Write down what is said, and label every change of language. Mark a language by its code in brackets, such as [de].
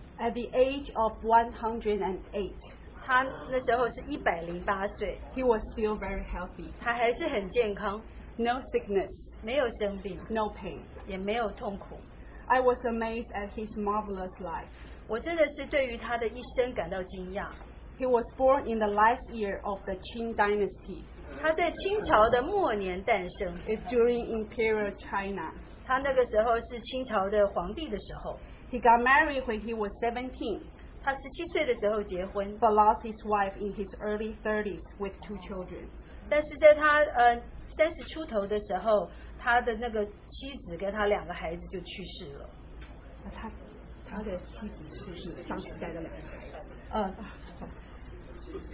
[en] At the age of 108， [zh] 他那时候是108岁。 [en] He was still very healthy. [zh] 他还是很健康。 [en] No sickness. [zh] 没有生病。 [en] No pain. [zh] 也没有痛苦。 [en] I was amazed at his marvelous life. [zh] 我真的是对于他的一生感到惊讶。 [en] He was born in the last year of the Qing Dynasty. [zh] 他在清朝的末年诞生。 [en] It's during Imperial China. [zh] 他那个时候是清朝的皇帝的时候。 [en] He got married when he was 17. [zh] 他17岁的时候结婚。 [en] But lost his wife in his early 30s with 2 children. [zh] 但是在他30出头的时候， 他的那个妻子跟他两个孩子就去世了。他的妻子是上次带的两个孩子。